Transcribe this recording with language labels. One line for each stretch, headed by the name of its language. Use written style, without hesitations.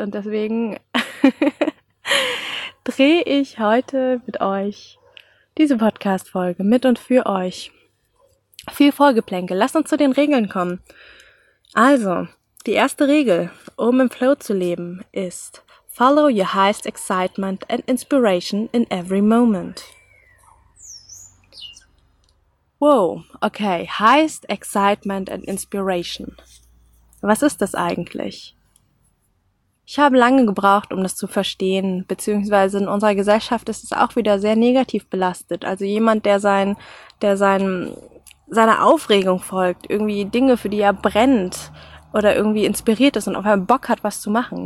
German: Und deswegen drehe ich heute mit euch diese Podcast-Folge mit und für euch. Viel Vorgeplänkel, lasst uns zu den Regeln kommen. Also, die erste Regel, um im Flow zu leben, ist,
English: Follow your highest excitement and inspiration in every moment. Wow, okay, highest excitement and inspiration.
German: Was ist das eigentlich? Ich habe lange gebraucht, um das zu verstehen, beziehungsweise in unserer Gesellschaft ist es auch wieder sehr negativ belastet. Also jemand, der seiner Aufregung folgt, irgendwie Dinge, für die er brennt oder irgendwie inspiriert ist und auf einmal Bock hat, was zu machen.